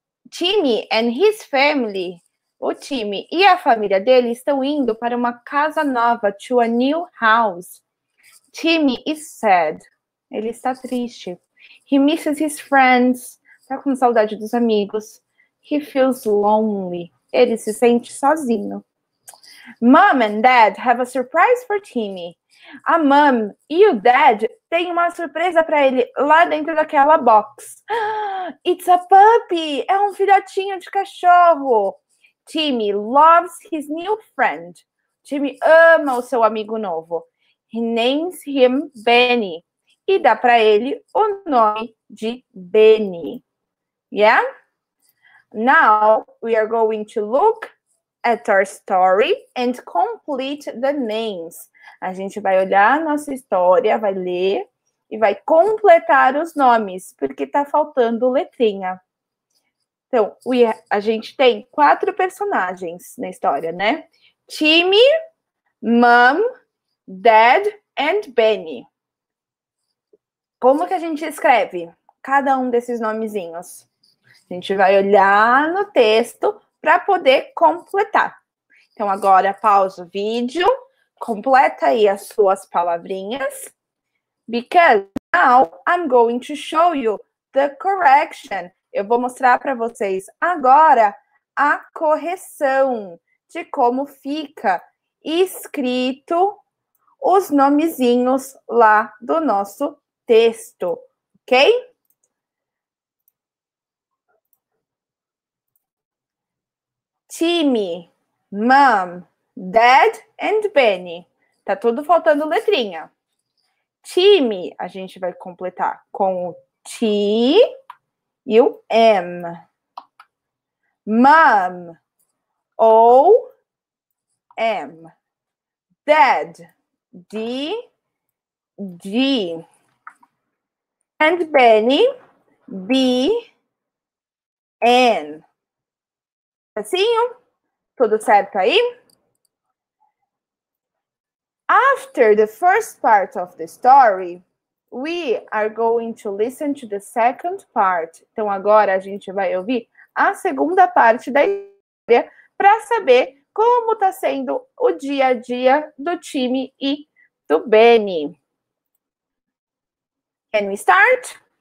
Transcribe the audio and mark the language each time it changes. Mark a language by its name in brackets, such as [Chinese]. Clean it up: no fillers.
[English] Timmy and his family, [Portuguese] o Timmy e a família dele estão indo para uma casa nova, [English] to a new house. Timmy is sad. [Portuguese] Ele está triste. [English] He misses his friends. [Portuguese] Está com saudade dos amigos. [English] He feels lonely. [Portuguese] Ele se sente sozinho. [English] Mom and Dad have a surprise for Timmy. [Portuguese] A mom e o Dad têm uma surpresa para ele lá dentro daquela box. [English] It's a puppy! [Portuguese] É um filhotinho de cachorro. [English] Timmy loves his new friend. [Portuguese] Timmy ama o seu amigo novo. [English] He names him Benny. [Portuguese] E dá para ele o nome de Benny. Yeah? [English] Now, we are going to look at our story and complete the names. [Portuguese] A gente vai olhar a nossa história, vai ler e vai completar os nomes, porque está faltando letrinha. Então, a gente tem quatro personagens na história, né? [English] Timmy, Mom, Dad and Benny. [Portuguese] Como que a gente escreve cada um desses nomezinhos? A gente vai olhar no texto para poder completar. Então, agora, pausa o vídeo. Completa aí as suas palavrinhas. [English] Because now I'm going to show you the correction. [Portuguese] Eu vou mostrar para vocês agora a correção de como fica escrito os nomezinhos lá do nosso texto. Ok? [English] Timmy, Mom, Dad and Benny. [Portuguese] Tá tudo faltando letrinha. Timmy, a gente vai completar com o T e o M. [English] Mom, O, M. Dad, D, G. And Benny, B, N. [Portuguese] Assim, tudo certo aí? [English] After the first part of the story, we are going to listen to the second part. [Portuguese] Então, agora a gente vai ouvir a segunda parte da história para saber como está sendo o dia a dia do Timmy e do Benny. [English] Can we start?